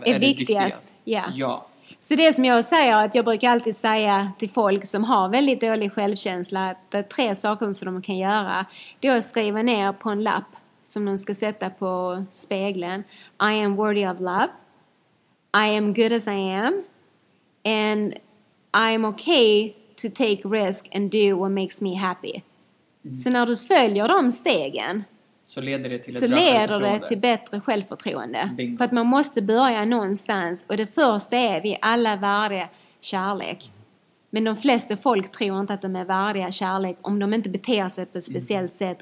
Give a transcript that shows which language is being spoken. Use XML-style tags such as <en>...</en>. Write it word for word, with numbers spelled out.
<sv>är, är viktigast.</sv> <en>Yeah. Ja.</en> <sv>Så det som jag säger, att jag brukar alltid säga till folk som har väldigt dålig självkänsla att det är tre saker som de kan göra. Det är att skriva ner på en lapp som de ska sätta på spegeln.</sv> <en>I am worthy of love. I am good as I am. And I am okay to take risk and do what makes me happy. Mm.</en> <sv>Så när du följer de stegen så leder det till, så leder det till bättre självförtroende. Bingo. För att man måste börja någonstans. Och det första är vi alla värdiga kärlek. Men de flesta folk tror inte att de är värdiga kärlek om de inte beter sig på ett speciellt mm. sätt.</sv>